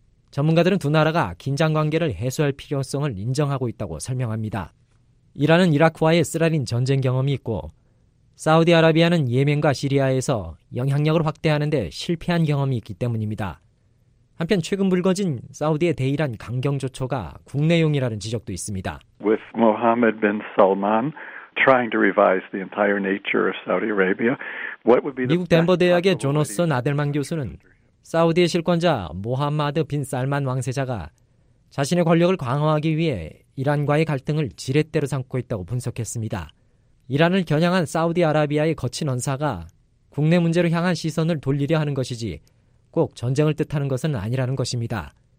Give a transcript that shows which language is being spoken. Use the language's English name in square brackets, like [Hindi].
[Korean] 전문가들은 두 나라가 긴장관계를 해소할 필요성을 인정하고 있다고 설명합니다. 이란은 이라크와의 쓰라린 전쟁 경험이 있고 사우디아라비아는 예멘과 시리아에서 영향력을 확대하는 데 실패한 경험이 있기 때문입니다. 한편 최근 불거진 사우디의 대이란 강경 조처가 국내용이라는 지적도 있습니다. [English] With Mohammed bin Salman trying to revise the entire nature of Saudi Arabia, what would be the [Korean] 미국 덴버 대학의 조너스 나델만 교수는 사우디의 실권자 모하마드 빈 살만 왕세자가 자신의 권력을 강화하기 위해 이란과의 갈등을 지렛대로 삼고 있다고 분석했습니다. 이란을 겨냥한 사우디아라비아의 거친 언사가 국내 문제로 향한 시선을 돌리려 하는 것이지 꼭 전쟁을 뜻하는 것은 아니라는 것입니다.